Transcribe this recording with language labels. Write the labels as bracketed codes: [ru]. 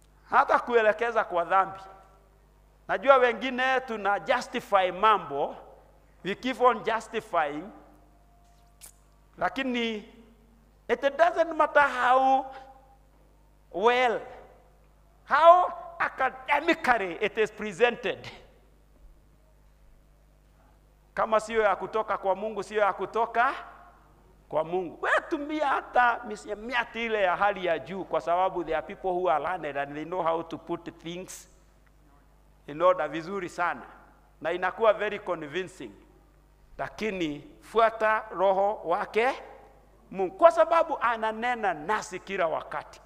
[sw] Hata kuelekeza kwa dhambi. Najua wengine tuna [en] justify mambo. We keep on justifying. [sw] Lakini [en] it doesn't matter how well, how academically it is presented. [sw] Kama siyo ya kutoka kwa Mungu, siyo ya kutoka kwa Mungu. We tumia hata misemiati ile ya hali ya juu, kwa sababu [en] there are people who are learned and they know how to put things in order [sw] vizuri sana. Na inakuwa [en] very convincing. [sw] Lakini fuata Roho wake Mungu, kwa sababu ananena nasi kila wakati.